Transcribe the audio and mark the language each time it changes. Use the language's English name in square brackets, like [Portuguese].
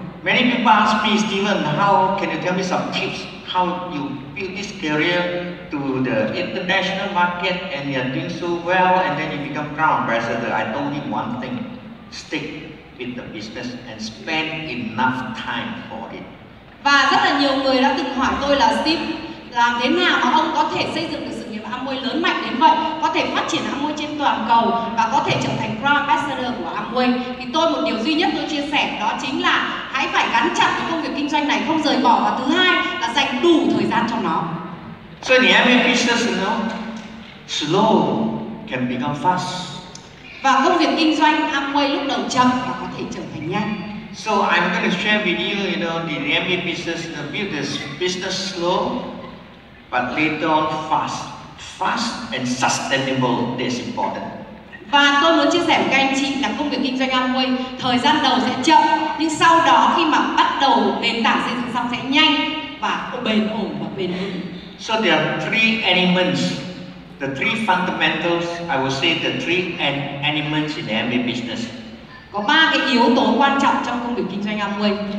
[English] Many people ask me, Stephen, how can you tell me some tips how you build this career to the international market and you are doing so well and then you become crown ambassador? I told you one thing, stick with the business and spend enough time for it. [Vietnamese] Và rất là nhiều người đã từng hỏi tôi là Steve, làm thế nào mà ông có thể xây dựng được sự nghiệp Amway lớn mạnh đến vậy, có thể phát triển Amway trên toàn cầu và có thể trở thành Crown Ambassador của Amway. Thì tôi một điều duy nhất tôi chia sẻ đó chính là hãy phải gắn chặt với công việc kinh doanh này, không rời bỏ, và thứ hai là dành đủ thời gian cho nó. [English] So in the Amway business, you know, slow can become fast. [Vietnamese] Và công việc kinh doanh Amway lúc đầu chậm và có thể trở thành nhanh. [English] So I'm going to share with you, you know, the Amway business, the build this business slow, but later on fast, fast and sustainable. That's important. [Vietnamese] Và tôi muốn chia sẻ với các anh chị là công việc kinh doanh Amway thời gian đầu sẽ chậm, nhưng sau đó khi mà bắt đầu nền tảng xây dựng xong sẽ nhanh và bền ổn và bền vững. [English] So there are three elements. The three fundamentals, I would say the three elements in the Amway business. [Vietnamese] Có ba cái yếu tố quan trọng trong công việc kinh doanh Amway.